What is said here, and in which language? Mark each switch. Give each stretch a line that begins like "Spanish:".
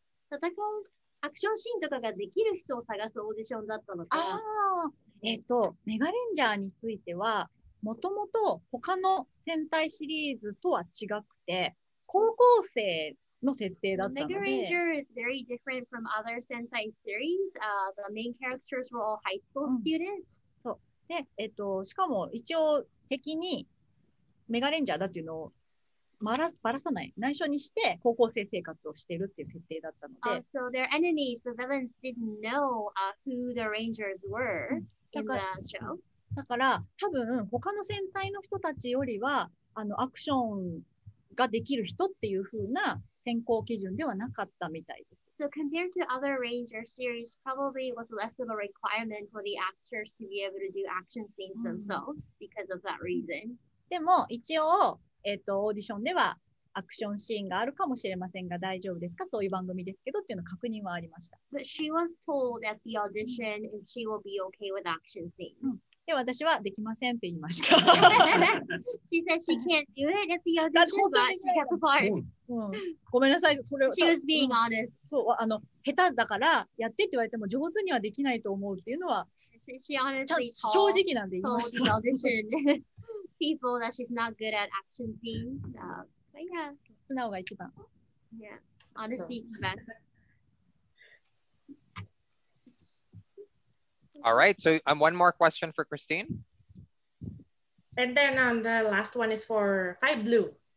Japanese: アクションシーンとかができる人を探すオーディションだったのか。メガレンジャーについてはもともと他の戦隊シリーズとは違くて高校生の設定だったので、
English: メガレンジャー is very different from other Sentai series. The main characters were all high school students.
Japanese: そう。で、しかも一応的にメガレンジャーだっていうのをバラさない、内緒にして高校生生活をしているっていう設定だったので、
English: so their enemies, the villains, didn't know who the Rangers were in the show.
Japanese: だから多分他の戦隊の人たちよりはアクションができる人っていう風な選考基準ではなかったみたいです。
English: So compared to other Ranger series, probably was less of a requirement for the actors to be able to do action scenes themselves because of that reason.
Japanese: でも一応オーディションではアクションシーンがあるかもしれませんが大丈夫ですか、そういう番組ですけどっていうの確認はありました。
English: But she was told at the audition if she will be okay with action scenes.
Japanese: で、私はできませんって言いました。
English: She said she can't do it at the audition, but she kept the part.
Japanese: ごめんなさい、それ。
English: She was being honest.
Japanese: そう、下手だからやってって言われても上手にはできないと思うっていうのは、正直なんで言いました。
English: People that she's not good at action scenes. But yeah.
Japanese: 素直が一番。
English: Yeah. Honestly, the best. All right. So one more question for Christine. And then the last one is for FiveBlue.